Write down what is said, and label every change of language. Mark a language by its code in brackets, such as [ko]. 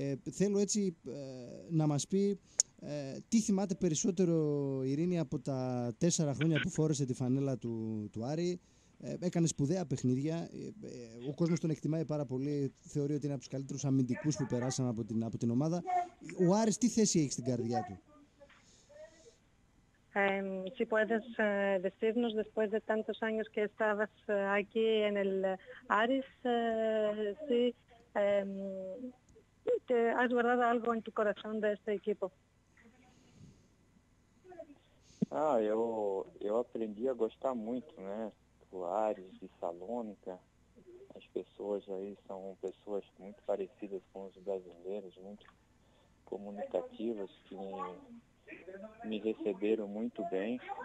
[el] Θέλω έτσι να μας πει τι θυμάται περισσότερο, Ειρήνη, από τα 4 χρόνια που φόρεσε τη φανέλα του Άρη. Έκανε σπουδαία παιχνίδια. Ο κόσμος τον εκτιμάει πάρα πολύ. Θεωρεί ότι είναι από τους καλύτερους αμυντικούς που περάσαν από την ομάδα. Ο Άρης τι θέση έχει στην καρδιά του? [es] Si puedes decirnos después de tantos años que estabas aquí en el Άρης, si has guardado algo en tu corazón de este equipo. [pt] Eu aprendi a gostar muito, né? Ares, de Salônica, as pessoas aí são pessoas muito parecidas com os brasileiros, muito comunicativas, que me receberam muito bem.